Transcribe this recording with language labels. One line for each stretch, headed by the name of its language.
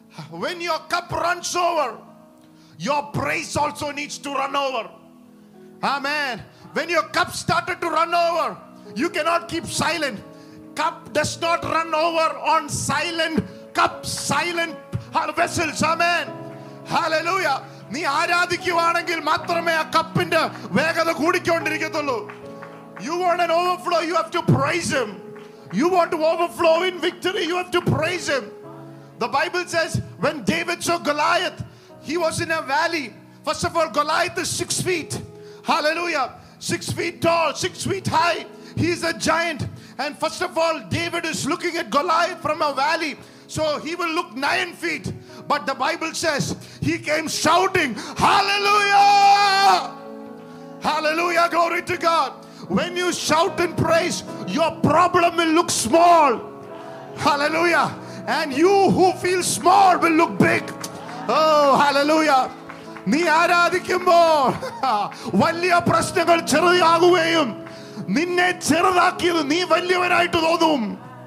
English: When your cup runs over, your praise also needs to run over. Amen. When your cup started to run over, you cannot keep silent. Cup does not run over on silent cups, silent vessels. Amen. Hallelujah.
Malayalam: നീ ആരാധിക്കുവാണെങ്കിൽ മാത്രമേ ആ കപ്പിന്റെ വേഗത കൂടിക്കൊണ്ടിരിക്കത്തുള്ളൂ.
English: You want an overflow, you have to praise him. You want to overflow in victory, you have to praise him. The Bible says when David saw Goliath, he was in a valley. First of all, Goliath is 6 feet. Hallelujah. 6 feet tall, 6 feet high. He is a giant. And first of all, David is looking at Goliath from a valley. So he will look 9 feet. But the Bible says he came shouting, Hallelujah! Hallelujah! Glory to God. When you shout in praise, your problem will look small. Hallelujah. And you who feel small will look big. Oh, hallelujah.
Malayalam: നീ ആരാധിക്കുമ്പോൾ വലിയ പ്രശ്നങ്ങൾ ചെറുതാകുകയും നിന്നെ ചെറുതാക്കിയത് നീ വലിയവനായിട്ട് തോന്നും.